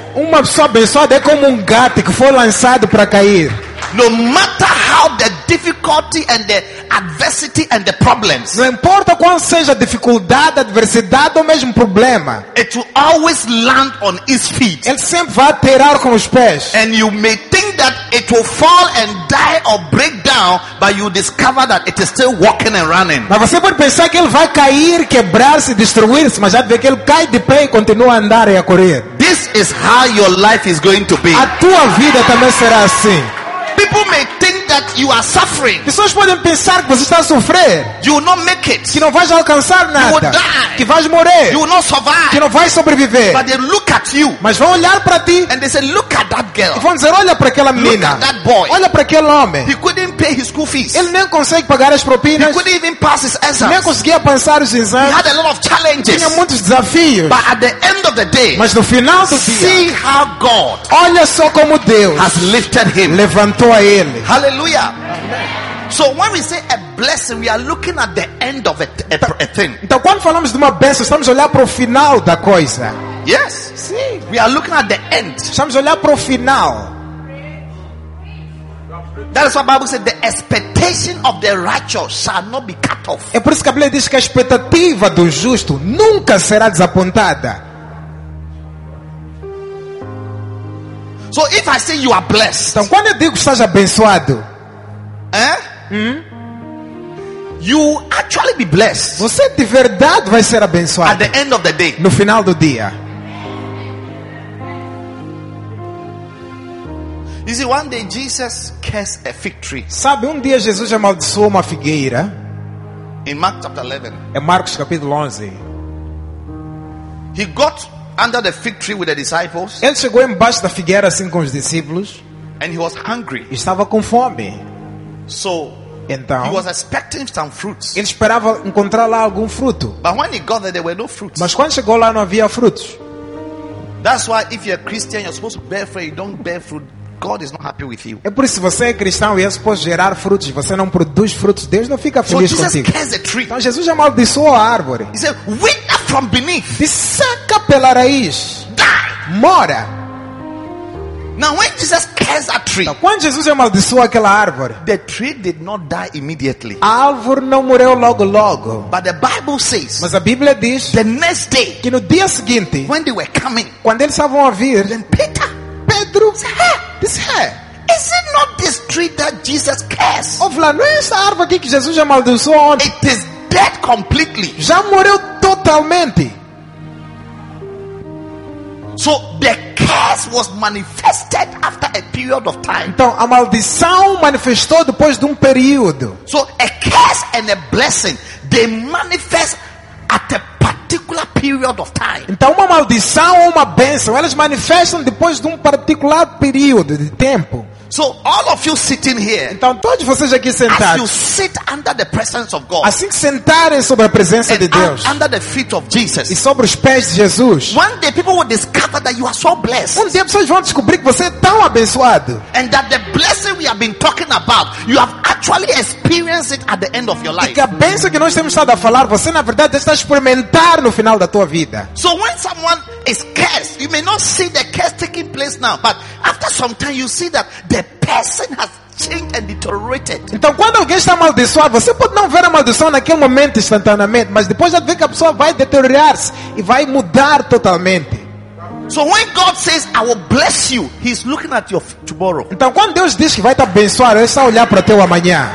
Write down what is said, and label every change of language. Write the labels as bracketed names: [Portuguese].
[Portuguese] Uma pessoa abençoada é como um gato que foi lançado para cair. [English] No matter how the difficulty and the adversity and the problems, [Portuguese] não importa qual seja a dificuldade, a adversidade ou mesmo problema, [English] it will always land on his feet. [Portuguese] Ele sempre vai aterrar com os pés. [English] And you may think that it will fall and die or break down, but you discover that it is still walking and running. [Portuguese] Mas você pode pensar que ele vai cair, quebrar-se, destruir-se, mas já vê que ele cai de pé e continua a andar e a correr. [English] This is how your life is going to be. [Portuguese] A tua vida também será assim. [English] People may think that you are suffering. [Portuguese] Pessoas podem pensar que você está a sofrer. [English] You will not make it. [Portuguese] Que não vais alcançar nada. [English] You will die. [Portuguese] Que vais morrer. [English] You will not survive. [Portuguese] Que não vais sobreviver. [English] But they look at you. [Portuguese] Mas vão olhar para ti. [English] And they say, look at that girl. [Portuguese] E vão dizer, olha para aquela menina. [English] Look at that boy. [Portuguese] Olha para aquele homem. [English] He couldn't pay his school fees. [Portuguese] Ele nem consegue pagar as propinas. [English] He couldn't even pass his exams. [Portuguese] Nem conseguia passar os exames. [English] He had a lot of challenges. [Portuguese] Tinha muitos desafios. [English] But at the end of the day, [Portuguese] mas no final do [English] see [Portuguese] dia, [English] how God, [Portuguese] olha só como Deus [English] has lifted him. [Portuguese] Levantou a ele. [English] Hallelujah. Amen. So when we say a blessing, we are looking at the end of a thing. [Portuguese] Então quando falamos de uma bênção, estamos a olhar para o final da coisa. [English] Yes. [Portuguese] Sim. [English] We are looking at the end. [Portuguese] Estamos a olhar para o final. [English] That is what the Bible said, the expectation of the righteous shall not be cut off. [Portuguese] É por isso que a Bíblia diz que a expectativa do justo nunca será desapontada. [English] So if I say you are blessed, [Portuguese] então quando eu digo que estás abençoado, [English] you actually be blessed. [Portuguese] Você de verdade vai ser abençoado. [English] At the end of the day, [Portuguese] no final do dia. [English] You see, one day Jesus cursed a fig tree. [Portuguese] Sabe, dia Jesus amaldiçoou uma figueira. [English] In Mark chapter 11. [Portuguese] É Marcos capítulo 11. [English] He got under the fig tree with the disciples. [Portuguese] Ele chegou embaixo da figueira assim com os discípulos. [English] And he was hungry. [Portuguese] Estava com fome. [English] So, [Portuguese] então, [English] he was expecting some fruits. [Portuguese] Ele esperava encontrar lá algum fruto. [English] But when he got there, there were no fruits. [Portuguese] Mas quando chegou lá não havia frutos. [English] That's why if you're a Christian, you're supposed to bear fruit. You don't bear fruit, God is not happy with you. [Portuguese] É por isso, se você é cristão e é suposto gerar frutos, você não produz frutos, Deus não fica feliz [English] so [Portuguese] contigo. [English] Cursed the tree. [Portuguese] Então Jesus amaldiçoou a árvore. [English] He said, wither from beneath. [Portuguese] De saca pela raiz. [English] Die. [Portuguese] Mora. [English] Now when Jesus cursed a tree. [Portuguese] Então, quando Jesus amaldiçoou aquela árvore. [English] The tree did not die immediately. [Portuguese] A árvore não morreu logo. [English] But the Bible says. [Portuguese] Mas a Bíblia diz. [English] The next day. [Portuguese] Que no dia seguinte. [English] When they were coming. [Portuguese] Quando eles estavam a vir. [English] Then Peter. [Portuguese] Pedro. [English] This hair. Is it not this tree that Jesus cursed? [Portuguese] Ouve lá, não é essa árvore aqui que Jesus amaldiçoou ontem? [English] It is dead completely. [Portuguese] Já morreu totalmente. [English] So the curse was manifested after a period of time. [Portuguese] Então a maldição manifestou depois de período. [English] So a curse and a blessing, they manifest at a particular period of time. [Portuguese] Então uma maldição ou uma bênção, elas manifestam depois de particular período de tempo. [English] So all of you sitting here. [Portuguese] Então todos vocês aqui sentados. [English] As you sit under the presence of God. [Portuguese] Assim sentarem sobre a presença [English] and [Portuguese] de Deus. [English] Under the feet of Jesus. [Portuguese] E sobre os pés de Jesus. [English] One day people will discover that you are so blessed. [Portuguese] Dia pessoas vão descobrir que você é tão abençoado. [English] And that the blessing we have been talking about, you have actually experienced it at the end of your life. [Portuguese] E que a bênção que nós temos estado a falar, você na verdade está a experimentar no final da tua vida. [English] So when someone is cursed, you may not see the curse taking place now, but after some time you see that the person has changed and deteriorated. [Portuguese] Então quando alguém está amaldiçoado, você pode não ver a maldição naquele momento instantaneamente, mas depois já vê que a pessoa vai deteriorar-se e vai mudar totalmente. [English] So when God says I will bless you, he's looking at your tomorrow. [Portuguese] Então quando Deus diz que vai te abençoar, ele está a olhar para teu amanhã.